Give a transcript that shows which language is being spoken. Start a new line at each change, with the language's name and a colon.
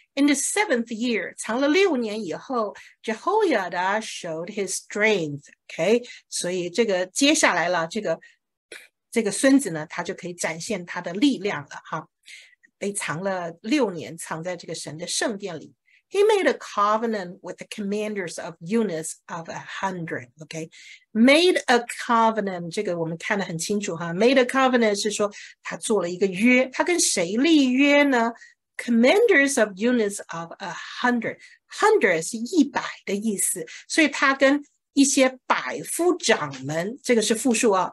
English: In the seventh year,
Chinese: 藏了六年以后，
English: Jehoiada showed his strength.
Chinese: Okay, 所以这个接下来了，这个孙子呢，他就可以展现他的力量了哈。被藏了六年，藏在这个神的圣殿里。
English: He made a covenant with the commanders of units of 100. Okay, made a covenant.
Chinese: 这个我们看得很清楚哈。
English: Made a covenant
Chinese: 是说他做了一个约，他跟谁立约呢？
English: Commanders of units of 100
Chinese: 是一百的意思，所以他跟一些百夫长们，这个是复数啊。